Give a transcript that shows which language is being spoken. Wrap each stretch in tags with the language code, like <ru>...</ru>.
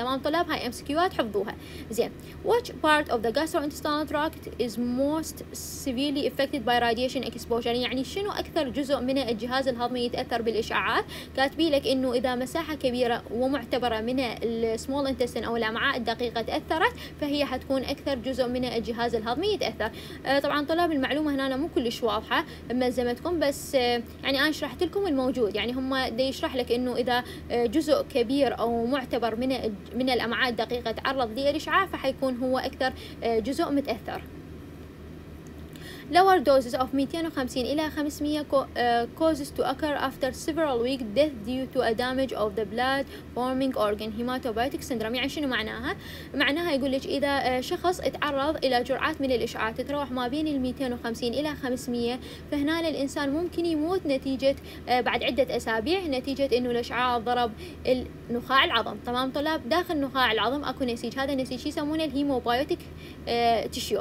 <ar>تمام طلاب، هاي MCQات حفظوها زين.</ar> <en>Which part of the gastrointestinal tract is most severely affected by radiation exposure،</en> <ar>يعني شنو اكثر جزء من الجهاز الهضمي يتاثر بالاشعاعات؟ كاتبي لك انه اذا مساحه كبيره ومعتبره من السمول انتستين او الامعاء الدقيقه تاثرت، فهي حتكون اكثر جزء من الجهاز الهضمي يتاثر. طبعا طلاب المعلومه هنا مو كلش واضحه ملزمتكم، بس يعني انا شرحت لكم الموجود، يعني هم دي يشرح لك انه اذا جزء كبير او معتبر من الامعاء الدقيقه تعرض للاشعاع فحيكون هو اكثر جزء متاثر.</ar> <en>lower doses of 250</en> <ar>الى</ar> <en>500 causes to occur after several weeks death due to a damage of the blood forming organ hematopoietic syndrome.</en> <ar>يعني شنو معناها؟ معناها يقول لك اذا شخص تعرض الى جرعات من الاشعاعات تتراوح ما بين ال 250 الى 500 فهنا الانسان ممكن يموت نتيجه بعد عده اسابيع نتيجه انه الاشعاع ضرب النخاع العظم. تمام طلاب، داخل نخاع العظم اكو نسيج، هذا النسيج يسمونه الهيموبايوتيك تيشيو.</ar>